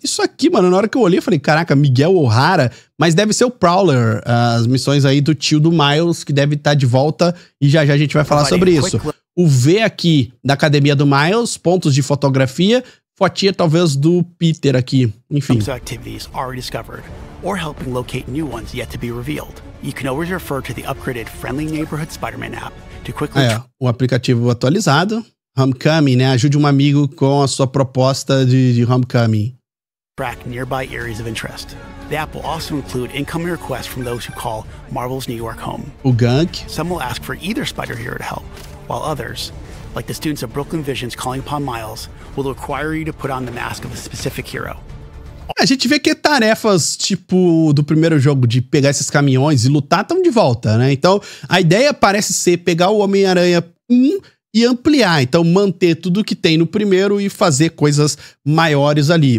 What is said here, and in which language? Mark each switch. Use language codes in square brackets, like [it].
[pt] Isso aqui, mano, na hora que eu olhei, eu falei, caraca, Miguel O'Hara, mas deve ser o Prowler, as missões aí do tio do Miles, que deve estar de volta, e já já a gente vai falar sobre isso. O V aqui da academia do Miles, pontos de fotografia, fotinha talvez do Peter aqui, enfim. [en] Activities already discovered or helping locate new ones yet to be revealed. You can always refer to the upgraded Friendly Neighborhood Spider-Man app. [pt] Aí, ó, o aplicativo atualizado. Homecoming, né? Ajude um amigo com a sua proposta de homecoming. [en] Track nearby areas of interest. The app will also include incoming requests from those who call Marvel's New York home. O Gank. Some will ask for either Spider-Hero to help, while others, like the students of Brooklyn Visions calling upon Miles, will require you to put on the mask of a specific hero. [pt] A gente vê que tarefas, tipo, do primeiro jogo de pegar esses caminhões e lutar estão de volta, né? Então, a ideia parece ser pegar o Homem-Aranha 1 e ampliar. Então, manter tudo que tem no primeiro e fazer coisas maiores ali.